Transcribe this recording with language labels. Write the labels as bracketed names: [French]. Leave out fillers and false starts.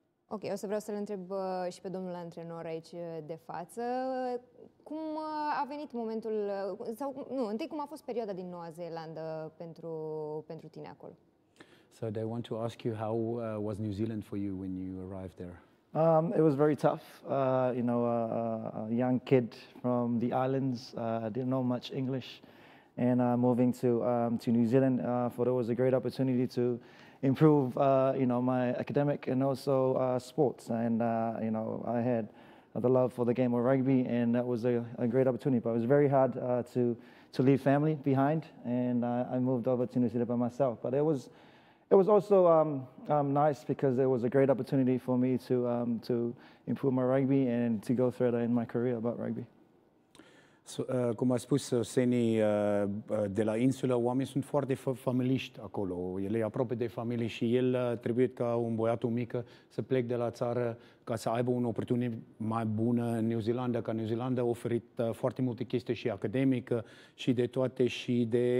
[Romanian] Ok, o să vreau să-l întreb și pe domnul antrenor aici de față. Cum a venit momentul, sau nu, întâi cum a fost perioada din Noua Zeelandă pentru tine acolo? [English] So they want to ask you how was New Zealand for you when you arrived there? It was very tough. You know, a young kid from the islands, didn't know much English, and moving to New Zealand, thought it was a great opportunity to improve, you know, my academic and also sports. And you know, I had the love for the game of rugby, and that was a great opportunity. But it was very hard to leave family behind, and I moved over to New Zealand by myself. But it was also nice because it was a great opportunity for me to improve my rugby and to go further in my career about rugby. [Romanian] So, cum a spus Seni de la insulă, oamenii sunt foarte familiști acolo. El e aproape de familie și el trebuie ca un băiatul mic să plec de la țară ca să aibă o oportunitate mai bună în New Zealandă, că New Zealandă a oferit foarte multe chestii și academică și de toate și de...